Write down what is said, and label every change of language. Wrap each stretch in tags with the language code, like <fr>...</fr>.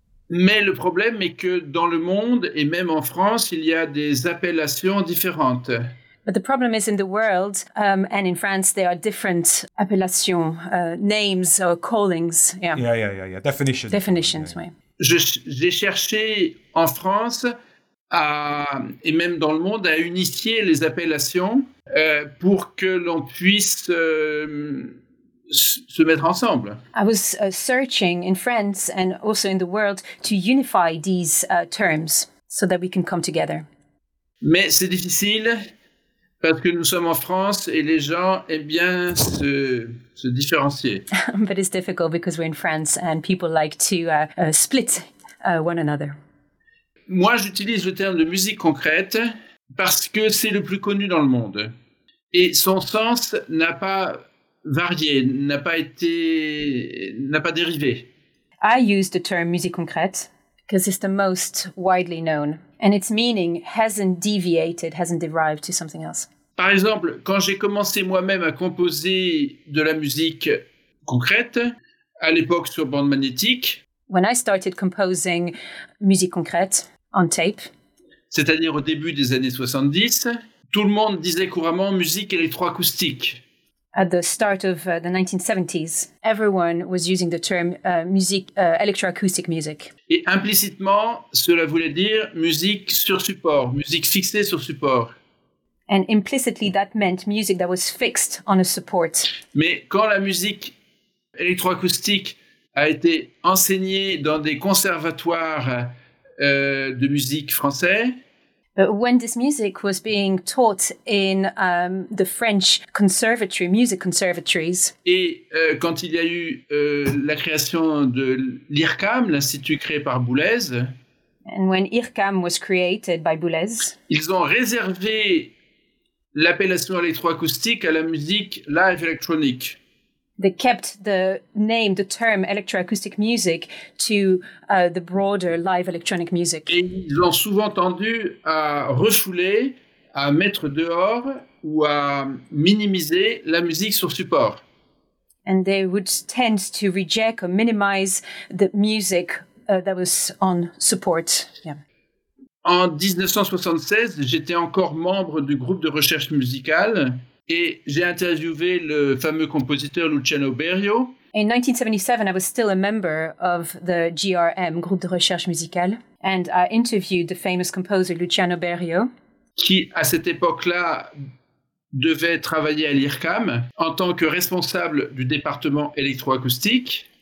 <fr>Mais le problème est que dans le monde et même en France, il y a des appellations différentes.</fr> <en>But the problem is in the world and in France, there are different appellations, names or callings. Yeah. Definitions.</en> <fr>J'ai cherché en France et même dans le monde à unifier les appellations pour que l'on puisse se mettre ensemble.</fr> <en>I was searching in France and also in the world to unify these terms so that we can come together.</en> <fr>Mais c'est difficile parce que nous sommes en France et les gens aiment bien se différencier.</fr> <en>But it's difficult because we're in France and people like to split one another.</en> <fr>Moi, j'utilise le terme de musique concrète parce que c'est le plus connu dans le monde. Et son sens n'a pas varié, n'a pas dérivé.</fr> <en>I use the term musique concrète because it's the most widely known. And its meaning hasn't deviated, hasn't derived to something else.</en> <fr>Par exemple, quand j'ai commencé moi-même à composer de la musique concrète, à l'époque sur bande magnétique.</fr> <en>When I started composing musique concrète on tape.</en> <fr>C'est-à-dire au début des années 70, tout le monde disait couramment musique électroacoustique.</fr> <en>At the start of the 1970s, everyone was using the term electroacoustic music.</en> <fr>Et implicitement, cela voulait dire musique sur support, musique fixée sur support.</fr> <en>And implicitly, that meant music that was fixed on a support.</en> <fr>Mais quand la musique électroacoustique a été enseignée dans des conservatoires de musique français.</fr> <en>But when this music was being taught in the French conservatory, music conservatories.</en> <fr>Et quand il y a eu la création de l'IRCAM, l'institut créé par Boulez.</fr> <en>And when IRCAM was created by Boulez.</en> <fr>Ils ont réservé l'appellation électroacoustique à la musique live électronique.</fr> <en>They kept the name, the term electroacoustic music to the broader live electronic music.</en> <fr>Et ils l'ont souvent tendu à refouler, à mettre dehors ou à minimiser la musique sur support.</fr> <en>And they would tend to reject or minimize the music that was on support. Yeah.</en> <fr>En 1976, j'étais encore membre du groupe de recherche musicale et j'ai interviewé le fameux compositeur Luciano Berio.</fr> <en>In 1977, I was still a member of the GRM, groupe de recherche musicale, and I interviewed the famous composer Luciano Berio,</en> <fr>qui à cette époque-là devait travailler à l'IRCAM en tant que responsable du département électroacoustique.</fr>